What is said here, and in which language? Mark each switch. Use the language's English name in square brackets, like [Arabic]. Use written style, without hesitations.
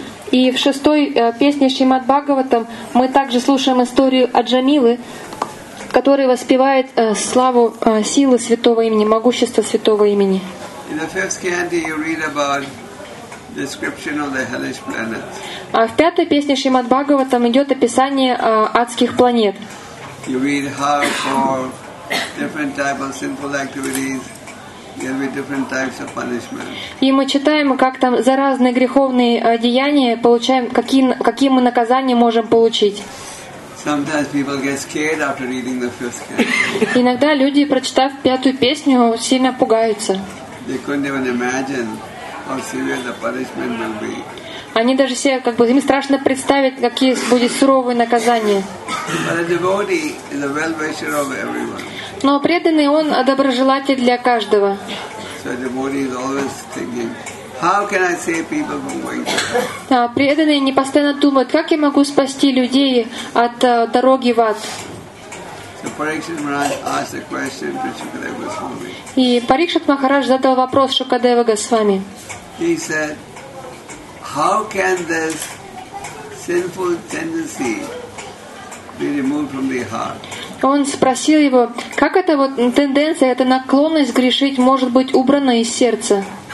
[Russian] И в шестой песне Шримад Бхагаватам мы также слушаем историю Аджамилы, которая воспевает славу силы святого имени, могущество святого имени. [English] In the fifth canto, you read about description of the hellish planets. [Russian] В пятой песне Шримад Бхагаватам идет описание адских планет. [English] You read how for different type of sinful activities there will be different types of punishment. [Russian] И мы читаем, как там за разные греховные деяния получаем, какие мы наказания можем получить. [English] Sometimes people get scared after reading the fifth canto. [Russian] Иногда люди, прочитав пятую песню, сильно пугаются. [English] They couldn't even imagine how severe the punishment will be. [Russian] Они даже себе, как бы, им страшно представить, какие будут суровые наказания. [English] But a devotee is a well-wisher of everyone. [Russian] Но преданный, он доброжелатель для каждого. [English] So the devotee is always thinking, how can I save people from going to hell? [Russian] Да, преданные не постоянно думают, как я могу спасти людей от дороги в ад. [English] So Parikshit Maharaj asked a question to Shukadeva Goswami. [Russian] И Парикшит Махарадж задал вопрос Шукадева Госвами. [English] He said, how can this sinful tendency be removed from the heart? [Russian] Он спросил его, как эта вот тенденция, эта наклонность грешить может быть убрана из сердца?